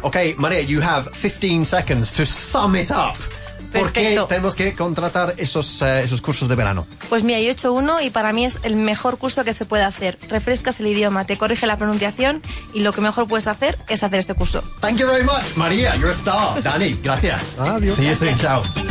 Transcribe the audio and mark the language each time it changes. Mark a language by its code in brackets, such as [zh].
[en] Ok, María, you have 15 seconds to sum it up. [es] Perfecto. ¿Por qué tenemos que contratar esos cursos de verano? Pues mira, yo he hecho uno y para mí es el mejor curso que se puede hacer. Refrescas el idioma, te corrige la pronunciación y lo que mejor puedes hacer es hacer este curso. [en] Thank you very much, María, you're a star. [es] Dani, gracias. Adiós. [en] See you soon, chao.